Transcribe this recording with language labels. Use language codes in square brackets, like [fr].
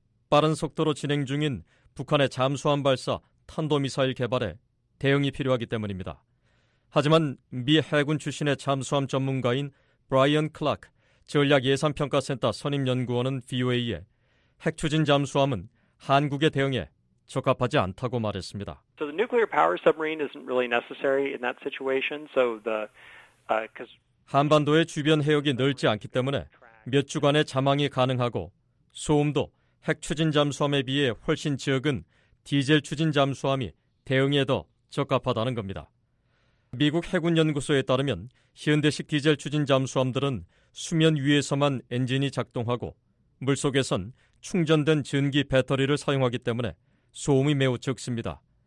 [ko] 빠른 속도로 진행 중인 북한의 잠수함 발사 탄도미사일 개발에 대응이 필요하기 때문입니다. 하지만 미 해군 출신의 잠수함 전문가인 브라이언 클락, 전략예산평가센터 선임연구원은 VOA에 핵추진 잠수함은 한국의 대응에 적합하지 않다고 말했습니다. [en] So the nuclear power submarine isn't really necessary in that situation. So the because [ko] 한반도의 주변 해역이 넓지 않기 때문에 몇 주간의 잠항이 가능하고 소음도 핵 추진 잠수함에 비해 훨씬 적은 디젤 추진 잠수함이 대응에 더 적합하다는 겁니다. 미국 해군 연구소에 따르면 현대식 디젤 추진 잠수함들은 수면 위에서만 엔진이 작동하고 물속에선 충전된 전기 배터리를 사용하기 때문에 소음이 매우 적습니다.